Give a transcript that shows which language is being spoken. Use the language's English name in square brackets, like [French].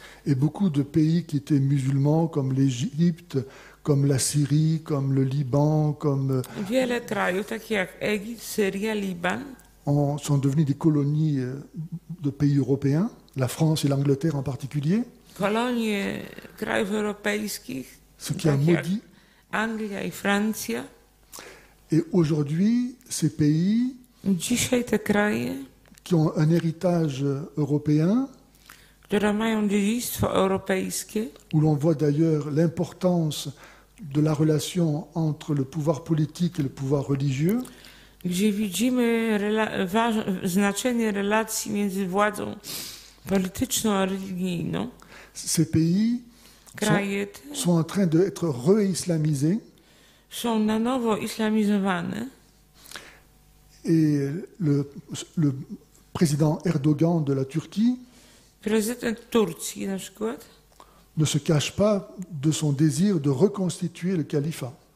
[French] Et beaucoup de pays qui étaient musulmans, comme l'Égypte, comme la Syrie, comme le Liban, comme... [Polish] Wiele krajów, takich jak Egipt, Syria, Liban, [French] sont devenus des colonies de pays européens, la France et l'Angleterre en particulier. [Polish] Kolonie krajów europejskich, [French] ce qui a maudit [Polish] Anglia i Francja. [French] Et aujourd'hui, ces pays [Polish] dzisiaj te kraje, [French] qui ont un héritage européen, [Polish] które mają dziedzictwo europejskie, [French] où l'on voit d'ailleurs l'importance de la relation entre le pouvoir politique et le pouvoir religieux, [Polish] gdzie widzimy znaczenie relacji między władzą polityczną a religijną. [French] Ces pays sont en train d'être re-islamisés. [Polish] Sont na nowo islamizowane. [French] Et le président Erdogan de la Turquie, [Polish] prezydent Turcji na przykład, [French] ne se cache pas de son désir de reconstituer le califat.